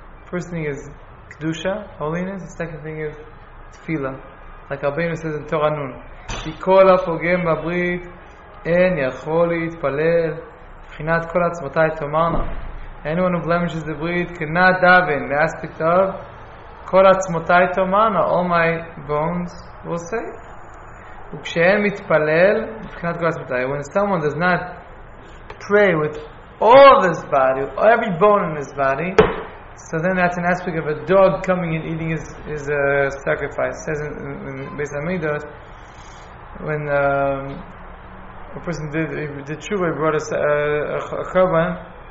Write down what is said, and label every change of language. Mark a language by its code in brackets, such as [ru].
[en] First thing is kedusha, holiness. The second thing is tefillah. Like Rabbeinu says in Torah Nun, [he] כי כל הפוגם בברית אין יכול להתפלל מבחינת כל עצמתי תאמרנו. [en] Anyone who blemishes the breed cannot daven. The aspect of [he] kol atzmotai tomana, [en] all my bones will say. [he] Ukshem mitpalel, b'chinat kol atzmotai. [en] When someone does not pray with all of his body, every bone in his body, so then that's an aspect of a dog coming and eating his sacrifice. It says in Beis Hamidrash, when a person did tshuva, he brought us a korban.